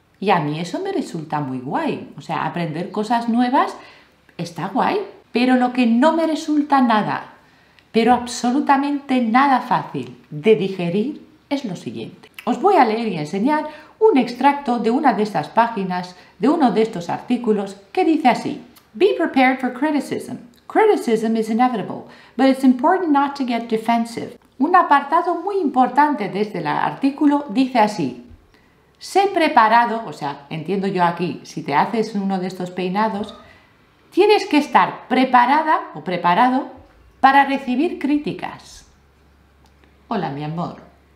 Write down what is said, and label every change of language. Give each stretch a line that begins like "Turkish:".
Spanish: Y a mí eso me resulta muy guay. O sea, aprender cosas nuevas está guay, pero lo que no me resulta nada, pero absolutamente nada fácil de digerir, es lo siguiente. Os voy a leer y enseñar un extracto de una de estas páginas, de uno de estos artículos, que dice así:
English: Be prepared for criticism. Criticism is inevitable, but it's important not to get defensive.
Spanish: Un apartado muy importante de este artículo dice así: Sé preparado, o sea, entiendo yo aquí, si te haces uno de estos peinados, tienes que estar preparada o preparado para recibir críticas. Hola, mi amor.